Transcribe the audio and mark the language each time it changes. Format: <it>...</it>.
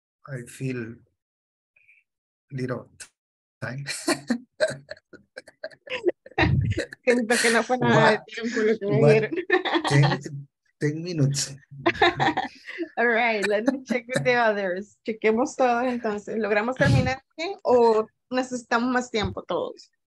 <en>I feel little time.</en> <es>Siento que no fue nada de tiempo lo que me dieron.</es> <en>10 minutes. All right, let me check with the others.</en> <es>Chequemos todos entonces. ¿Logramos terminar bien o necesitamos más tiempo todos?</es>